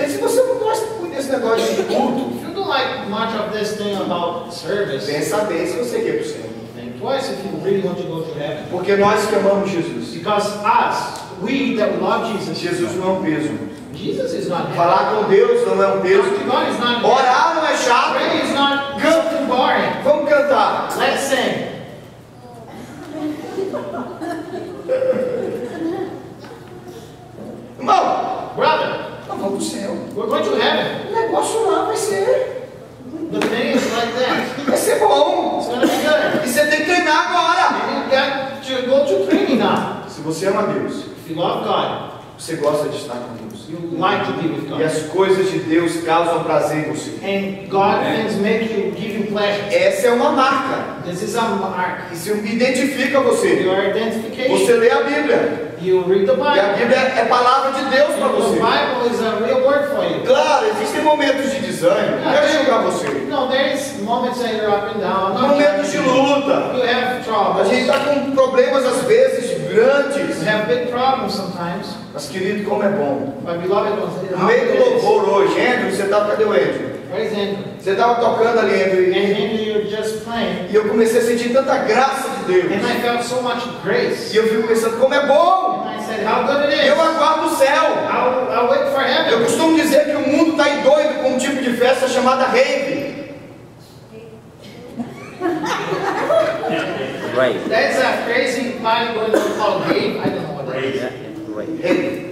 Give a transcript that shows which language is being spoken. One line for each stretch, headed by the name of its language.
Portuguese: E se você não gosta muito desse negócio de culto,
English: if you don't like much of this thing about service,
Portuguese: pensa bem se você quer para o céu.
English: Think twice if you really want to go to heaven.
Portuguese: Porque nós que amamos Jesus.
English: Because us, we that love Jesus.
Portuguese: Jesus não é um peso.
English: Jesus is not heavy.
Portuguese: Falar com Deus não é um peso.
English: Talk to God is not.
Portuguese: Orar não é chato.
English: Pray is not good and boring.
Portuguese: Vamos cantar.
English: Let's sing.
Portuguese: Irmão,
English: brother,
Portuguese: nós vamos para o céu.
English: We're going to heaven.
Portuguese: O negócio lá vai ser.
English: The thing is like that.
Portuguese: Vai ser bom.
English: It's going to be good.
Portuguese: E você tem que treinar agora.
English: You got to go to training now.
Portuguese: Se você ama Deus.
English: If you love God.
Portuguese: Você gosta de estar com Deus.
English: You like to be with God.
Portuguese: E as coisas de Deus causam prazer em você.
English: And God things make you give you pleasure.
Portuguese: Essa é uma marca.
English: This is a mark.
Portuguese: Isso identifica você.
English: Your identification.
Portuguese: Você lê a Bíblia.
English: You read the Bible.
Portuguese: E a Bíblia é palavra de Deus para você.
English: The Bible is a real word for you.
Portuguese: Claro, existem momentos de desânimo. desânimo. Não quero julgar você.
English: No, there's moments that you're up and down.
Portuguese: Momentos de luta.
English: You have troubles.
Portuguese: A gente está com problemas às vezes grandes.
English: We have big problems sometimes.
Portuguese: Mas querido, como é bom.
English: My beloved ones.
Portuguese: No meio do louvor hoje, Andrew, você está cadê o Andrew?
English: Where is Andrew?
Portuguese: Você estava tocando ali, Andrew.
English: And Andrew, you're just playing.
Portuguese: E eu comecei a sentir tanta graça de Deus.
English: And I felt so much grace.
Portuguese: E eu fico pensando como é bom.
English: How good it is.
Portuguese: Eu aguardo o céu.
English: I'll wait for heaven.
Portuguese: Eu costumo dizer que o mundo está doido com um tipo de festa chamada rave.
English: Right. That's a crazy party going on called rave. I don't know what that is.